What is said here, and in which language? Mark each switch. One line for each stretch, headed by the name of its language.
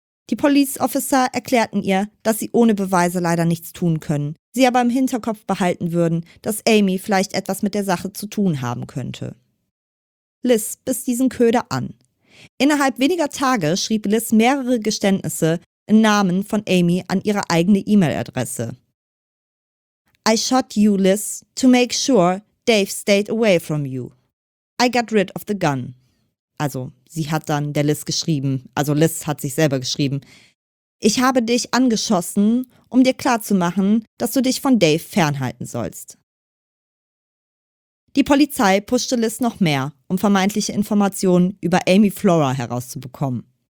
German: Die Police Officer erklärten ihr, dass sie ohne Beweise leider nichts tun können, sie aber im Hinterkopf behalten würden, dass Amy vielleicht etwas mit der Sache zu tun haben könnte. Liz biss diesen Köder an. Innerhalb weniger Tage schrieb Liz mehrere Geständnisse im Namen von Amy an ihre eigene E-Mail-Adresse.
English: I shot you, Liz, to make sure Dave stayed away from you. I got rid of the gun.
German: Also, sie hat dann der Liz geschrieben, also Liz hat sich selber geschrieben. Ich habe dich angeschossen, um dir klarzumachen, dass du dich von Dave fernhalten sollst. Die Polizei pushte Liz noch mehr, um vermeintliche Informationen über Amy Flora herauszubekommen.